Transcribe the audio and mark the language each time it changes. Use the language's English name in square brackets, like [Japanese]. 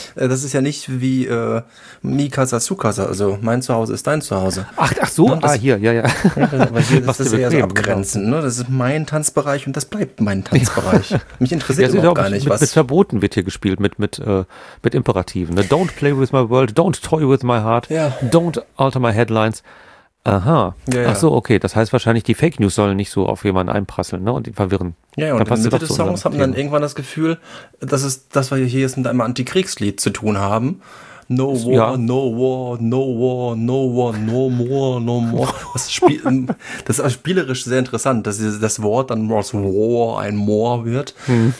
[German] Das ist ja nicht wie [Spanish] Mi Casa Sukasa, [German] also mein Zuhause ist dein Zuhause. Ach so, ja, das, hier, ja. Das ist eher so abgrenzend, ne? Das ist mein Tanzbereich und das bleibt mein Tanzbereich. Mich interessiert ja, überhaupt gar nicht, mit, was. Mit Verboten wird hier gespielt, mit Imperativen. Ne? [English] Don't play with my world, don't toy with my heart, don't alter my headlines. [German] Aha. Ja. Ach so, okay. Das heißt wahrscheinlich, die Fake News sollen nicht so auf jemanden einprasseln, ne? Und ihn verwirren. Ja, und dann in Mitte des Songs haben dann irgendwann das Gefühl, dass es, dass wir hier jetzt mit einem Antikriegslied zu tun haben. [English] No war, no war, no war, no war, no more, no more. [German] Das ist auch spielerisch sehr interessant, dass das Wort dann aus war ein more wird. Hm.